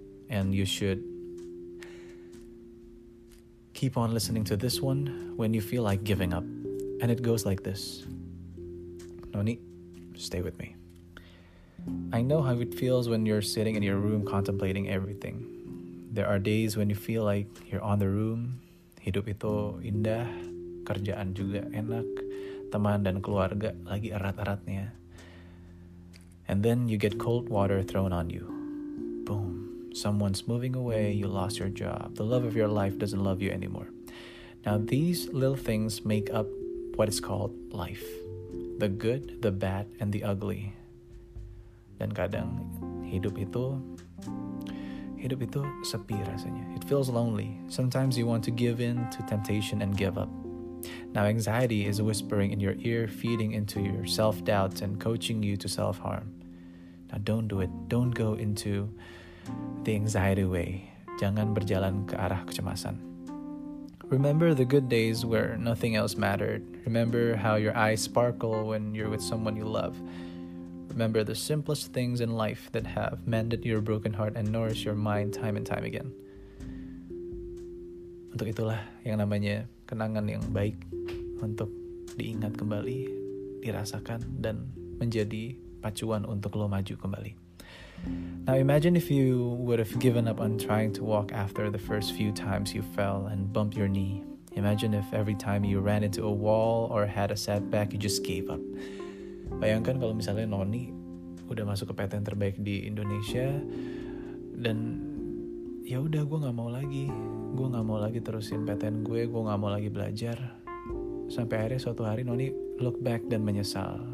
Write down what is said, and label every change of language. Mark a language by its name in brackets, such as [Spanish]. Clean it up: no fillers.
[English] And you should keep on listening to this one when you feel like giving up. And it goes like this. Noni, stay with me. I know how it feels when you're sitting in your room contemplating everything. There are days when you feel like you're on the room. [Indonesian] Hidup itu indah, kerjaan juga enak, teman dan keluarga lagi erat-eratnya. [English] And then you get cold water thrown on you. Boom. Someone's moving away. You lost your job. The love of your life doesn't love you anymore. Now these little things make up what is called life. The good, the bad, and the ugly. [Indonesian] Dan kadang hidup itu sepi rasanya. [English] It feels lonely. Sometimes you want to give in to temptation and give up. Now anxiety is whispering in your ear, feeding into your self-doubt and coaching you to self-harm. Now don't do it. Don't go into the anxiety way. [Indonesian] Jangan berjalan ke arah kecemasan. [English] Remember the good days where nothing else mattered. Remember how your eyes sparkle when you're with someone you love. Remember the simplest things in life that have mended your broken heart and nourished your mind time and time again. [Indonesian] Untuk itulah yang namanya kenangan yang baik untuk diingat kembali, dirasakan, dan menjadi pacuan untuk lo maju kembali. [English] Now imagine if you would have given up on trying to walk after the first few times you fell and bumped your knee. Imagine if every time you ran into a wall or had a setback, you just gave up. [Indonesian] Bayangkan kalau misalnya Noni udah masuk ke PTN terbaik di Indonesia dan ya udah gue nggak mau lagi terusin PTN gue nggak mau lagi belajar. Sampai akhirnya suatu hari Noni [English] look back [Indonesian] dan menyesal.